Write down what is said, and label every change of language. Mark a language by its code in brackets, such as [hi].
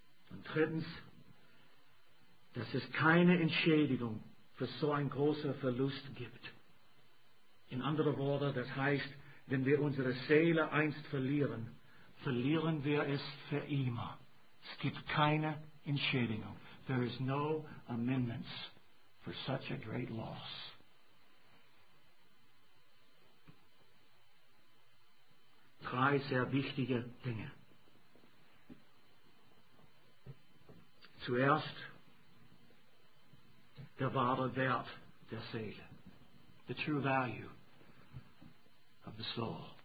[de] Und drittens, dass es keine Entschädigung für so einen großen Verlust gibt. In anderen Worten, das heißt, Wenn wir unsere Seele einst verlieren, verlieren wir es für immer. Es gibt keine Entschädigung. [en] There is no amendments for such a great loss. [de] Drei sehr wichtige Dinge. Zuerst der wahre Wert der Seele. [en] The true value of the soul.